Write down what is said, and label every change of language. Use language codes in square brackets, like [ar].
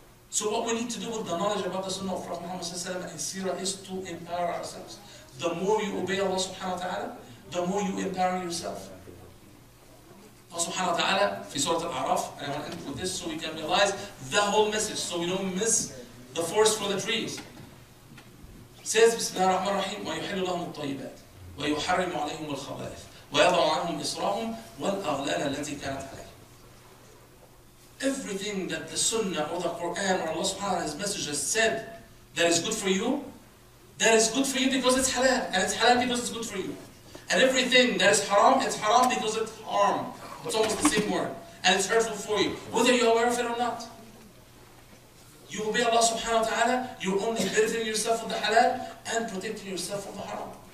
[en] So what we need to do with the knowledge about the Sunnah of Prophet Muhammad and his seerah is to empower ourselves. The more you obey Allah subhanahu wa ta'ala, the more you empower yourself. Allah subhanahu wa ta'ala, in Surah Al-A'raf, and I want to end with this so we can realize the whole message, so we don't miss the forest for the trees. It says, [ar] Bismillah ar-Rahman ar-Rahim, وَيُحِلُّ لَهُمُ الطَّيِّبَاتِ وَيُحَرِّمُ عَلَيْهُمُ الْخَبَائِثِ وَيَضَعُ عَنْهُمْ إِصْرَهُمْ وَالْأَغْلَالَ الَّتِي كَانَتْ عَلَيْهِمْ. [en] Everything that the Sunnah or the Quran or Allah subhanahu wa ta'ala's message has said that is good for you, that is good for you because it's halal, and it's halal because it's good for you. And everything that is haram, it's haram because it's harm. It's almost the same word. And it's hurtful for you, whether you're aware of it or not. You obey Allah subhanahu wa ta'ala, you're only benefiting yourself from the halal and protecting yourself from the haram.